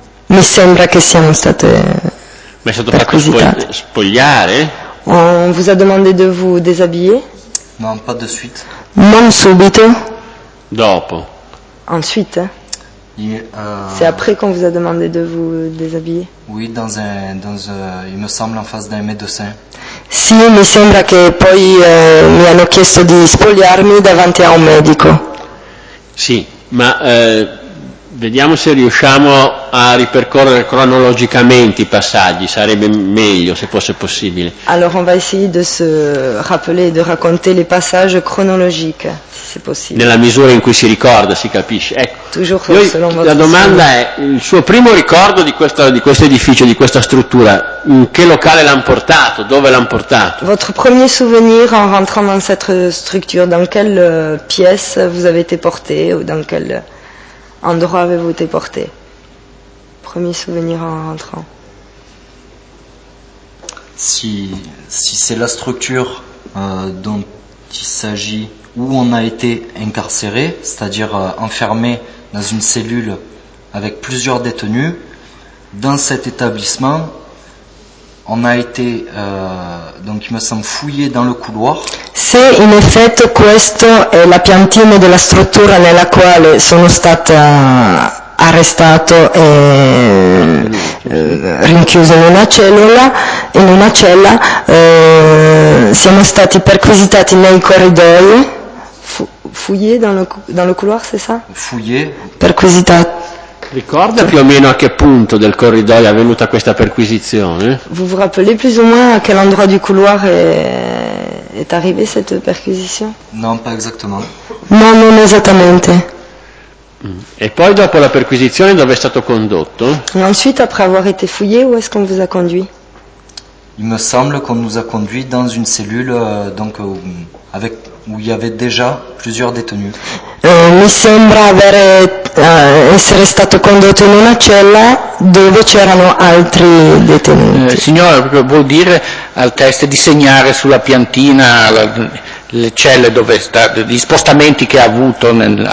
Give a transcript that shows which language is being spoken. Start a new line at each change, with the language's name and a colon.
Italian: Mi sembra che siamo state. Ma è stato fatto spogliare?
French: On vous a demandé de vous déshabiller? Non, pas de suite.
Italian: Non subito. Dopo.
French: Ensuite. C'est après qu'on vous a demandé de vous déshabiller? Oui, il me semble en face d'un médecin.
Italian: Si, mi sembra che poi mi hanno chiesto di spogliarmi davanti a un medico. Sì, ma vediamo se riusciamo a ripercorrere cronologicamente i passaggi, sarebbe meglio se fosse possibile.
French: Allora, on va essayer de se rappeler, de raconter les passages chronologiques, si c'est possible.
Italian: Nella misura in cui si ricorda, si capisce. Ecco,
French: toujours lui, selon
Italian: la domanda è, il suo primo ricordo di questo edificio, di questa struttura, in che locale l'hanno portato, dove l'hanno portato?
French: Votre premier souvenir en rentrant dans cette structure, dans quelle pièce vous avez été porté, ou dans quelle... Endroit avez-vous été porté? Premier souvenir en rentrant. Si c'est la structure dont il s'agit, où on a été incarcéré, c'est-à-dire enfermé dans une cellule avec plusieurs détenus, dans cet établissement, on a été, donc il me semble, fouillé dans le couloir.
Italian: Se in effetti questa è la piantina della struttura nella quale sono stata arrestato e rinchiuso in una cella, siamo stati perquisitati nei corridoi.
French: Fouillé dans le couloir, c'est ça? Fouillé.
Italian: Perquisitati. Ricorda più o meno a che punto del corridoio è avvenuta questa perquisizione?
French: Vous vous rappelez plus ou moins à quel endroit du couloir est arrivée cette perquisition? Non, pas exactement.
Italian: Non esattamente. E poi dopo la perquisizione dove è stato condotto?
French: Et ensuite après avoir été fouillé, où est-ce qu'on vous a conduit? Il me semble qu'on nous a conduit dans une cellule donc avec où il y avait déjà plusieurs détenus.
Italian: Mi sembra essere stato condotto in una cella dove c'erano altri detenuti. Signora, vuol dire al test di segnare sulla piantina le celle dove sta, gli spostamenti che ha avuto all'interno.